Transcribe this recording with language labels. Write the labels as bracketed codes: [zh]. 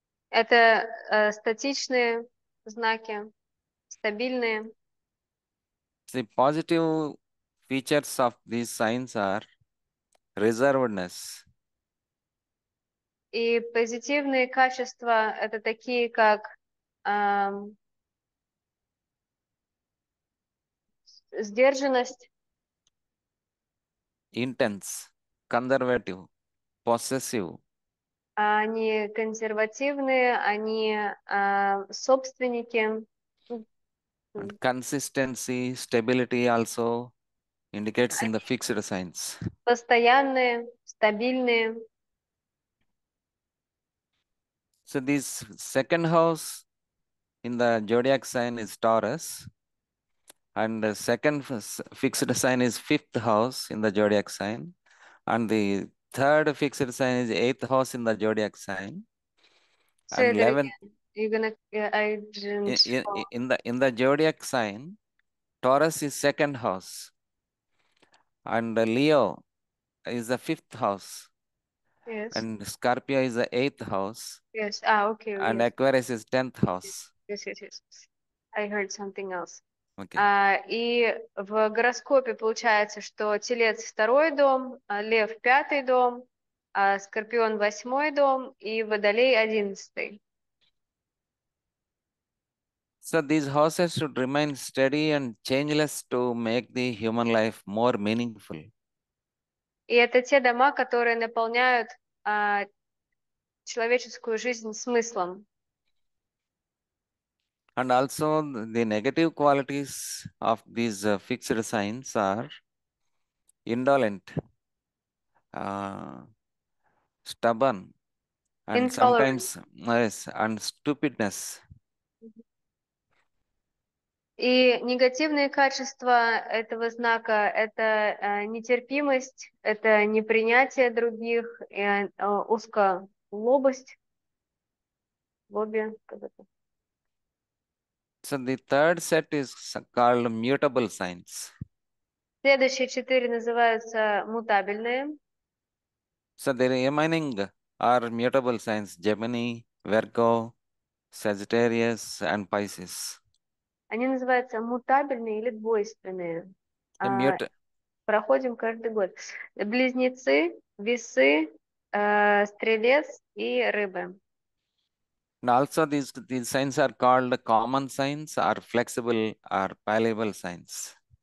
[ru] Это статичные знаки, стабильные. [en] The positive features of these signs are reservedness. [ru] И позитивные качества – это такие, как сдержанность. [en] Intense, conservative, possessive. [ru] Они консервативные, они собственники. [en] And consistency, stability also indicates in the fixed signs. [ru] Постоянные, стабильные. [en] So this second house in the zodiac sign is Taurus. And the second fixed sign is fifth house in the zodiac sign. And the third fixed sign is eighth house in the zodiac sign. And eleventh. In the zodiac sign, Taurus is second house, and Leo is the fifth house, yes, and Scorpio is the eighth house, yes, okay, and yes. Aquarius is tenth house. Yes. I heard something else. Okay. [ru] И в гороскопе получается, что Телец второй дом, Лев пятый дом, Скорпион восьмой дом и Водолей одиннадцатый. [en] So these houses should remain steady and changeless to make the human life more meaningful. [ru] И это те дома, которые наполняют человеческую жизнь смыслом. [en] And also the negative qualities of these fixed signs are indolent, stubborn, and intolerant. sometimes, yes, and stupidness. [ru] И негативные качества этого знака – это нетерпимость, это непринятие других, и узколобость, лобби, как это. [en] So the third set is called mutable signs. [ru] Следующие четыре называются мутабельные. [en] So the remaining are mutable signs: Gemini, Virgo, Sagittarius, and Pisces. [ru] Они называются мутабельные или двойственные. Проходим каждый год. Близнецы, весы, стрелец и рыбы. [en] And also these signs are called common signs or flexible or pliable signs.